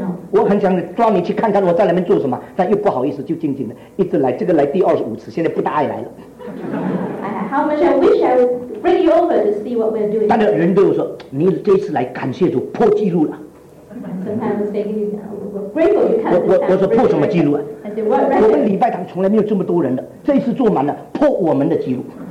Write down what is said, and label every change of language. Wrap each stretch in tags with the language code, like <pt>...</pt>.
<zh>我很想抓你去看看我在里面做什么，但又不好意思，就静静的一直来，这个来第25次，现在不大爱来了。</zh> <en>How much I wish I would bring you over to see what we're doing.</en> <zh>但是人都有说，你这次来感谢主破纪录了。我说破什么记录啊？我们礼拜堂从来没有这么多人的，这一次坐满了，破我们的记录。</zh>